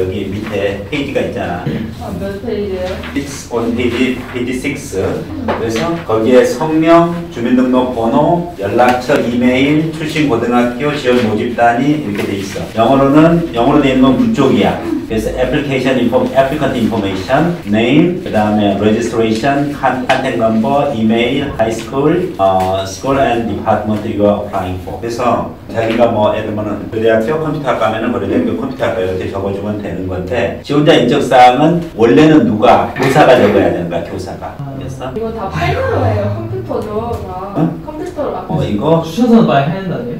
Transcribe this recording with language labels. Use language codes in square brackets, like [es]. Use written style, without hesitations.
[ko] 여기 밑에 페이지가 있잖아. 몇 페이지예요? [en] It's on page 6. [ko] 그래서 거기에 성명, 주민등록번호, 연락처, 이메일, 출신 고등학교, 지원 모집단이 이렇게 돼 있어. 영어로 돼 있는 건 문쪽이야. [en] 그래서 application applicant information, name, [ko] 그 다음에 [en] registration, contact number, email, high school, school and department you are applying for. [ko] 그래서 자기가 뭐 예를 들면은 그 대학교 컴퓨터학과 하면은 그래 대학교 컴퓨터학과 이렇게 적어주면 되는 건데 지원자 인적사항은 원래는 누가 교사가 적어야 되는가 교사가. 그래서 이거 다 파일러예요. 컴퓨터죠. 이거 추천서는 많이 해야 된다니?